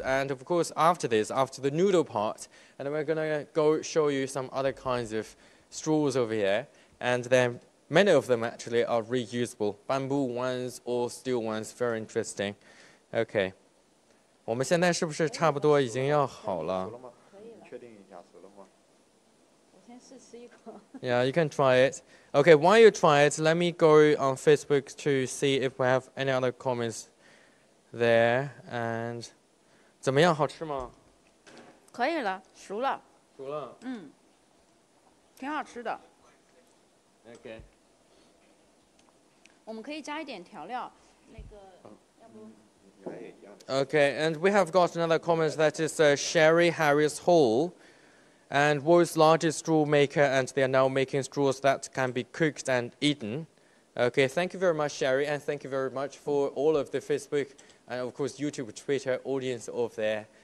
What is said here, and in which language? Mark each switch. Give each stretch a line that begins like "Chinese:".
English: And of course, after this, after the noodle part, and we're going to go show you some other kinds of straws over here. And then many of them actually are reusable. Bamboo ones or steel ones, very interesting. Okay.
Chinese: 我们现在是不是差不多已经要好了？确定一下熟的话，我先试吃一口。
English: Yeah, you can try it. Okay, while you try it, let me go on Facebook to see if we have any other comments there.
Chinese: And 怎么样？好吃吗？可以了，熟了。熟了。嗯，挺好吃的。
English: Okay.
Chinese: 我们可以加一点调料，那个，要不。
English: Okay, and we have got another comment that is Sherry Harris Hall and world's largest straw maker, and they are now making straws that can be cooked and eaten. Okay, thank you very much, Sherry, and thank you very much for all of the Facebook and, of course, YouTube, Twitter audience over there.